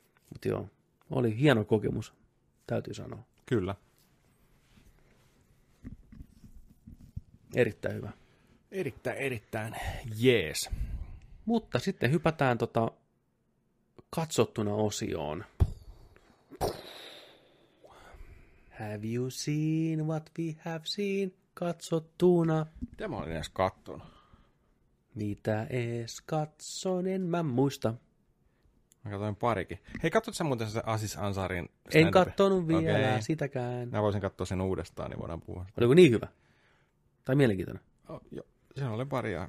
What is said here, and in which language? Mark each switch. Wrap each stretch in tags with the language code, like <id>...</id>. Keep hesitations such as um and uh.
<fi>Mutta joo, oli hieno kokemus, täytyy sanoa. Kyllä. Erittäin hyvä. Erittäin, erittäin jees. Mutta sitten hypätään tota katsottuna osioon. Puh. Puh.</fi> <en>Have you seen what we have seen?</en> <fi>Katsottuna. Mitä mä olin edes kattonut? Mitä ees katson, en mä muista. Mä katsoin parikin. Hei, katsotko sä muuten se Asis Ansarin stand-up? En kattonut okay. vielä okay. sitäkään. Mä voisin katsoa sen uudestaan, niin voidaan puhua. Sitä. Oliko niin hyvä? Tai mielenkiintoinen? Oh, joo, se oli pari ja...</fi>